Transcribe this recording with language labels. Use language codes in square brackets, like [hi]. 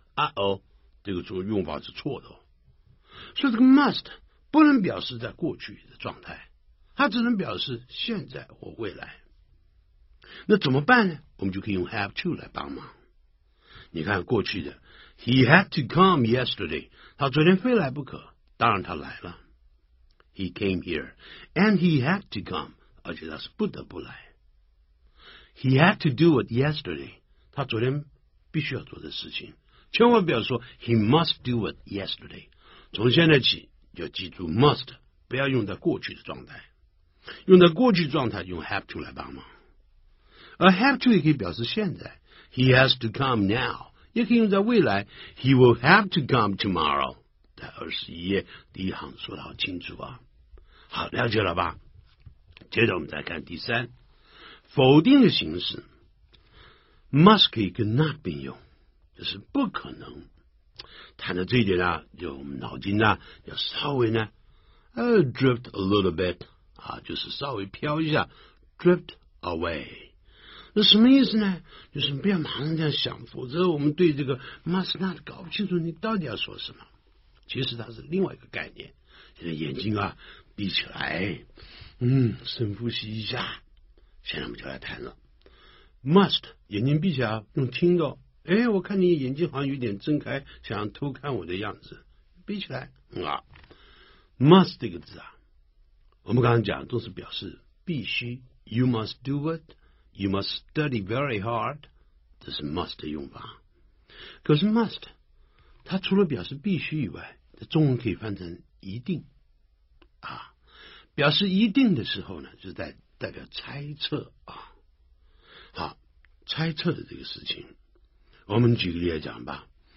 [zh] uh-oh， 这个说用法是错的。所以这个 must 不能表示在过去的状态，它只能表示现在或未来。那怎么办呢？我们就可以用 have to 来帮忙。你看过去的 [en] he had to come yesterday， [zh] 他昨天非来不可，当然他来了。 [en] he came here and he had to come， [zh] 而且他是不得不来。 [en] he had to do it yesterday， [zh] 他昨天必须要做的事情。千万不要说 [en] he must do it yesterday， [zh] 从现在起要记住 must 不要用在过去的状态，用在过去状态用 have to 来帮忙。 [en] 而 have to 也可以表示现在， he has to come now， [zh] 也可以用在未来， [en] he will have to come tomorrow。 [zh] 在21页第一行说得好清楚啊。好，了解了吧。接着我们再看第三，否定的形式must 可以跟 not 并用，就是不可能。谈到这一点呢，就我们脑筋呢要稍微呢 [en] drift a little bit [zh] 啊，就是稍微飘一下 drift away。那什么意思呢？就是不要马上这样想，否则我们对这个 must not 搞不清楚你到底要说什么。其实它是另外一个概念。现在眼睛啊闭起来，深呼吸一下，现在我们就来谈了must。眼睛闭起来，用听的，哎，我看你眼睛好像有点睁开，想偷看我的样子，闭起来啊。 must 这个字啊，我们刚刚讲都是表示必须， [en] you must do it， you must study very hard， [zh] 这是 must 的用法。可是 must 它除了表示必须以外，在中文可以翻成一定啊。表示一定的时候呢，就在代表猜测啊。好，猜测的这个事情，我们举个例来讲吧。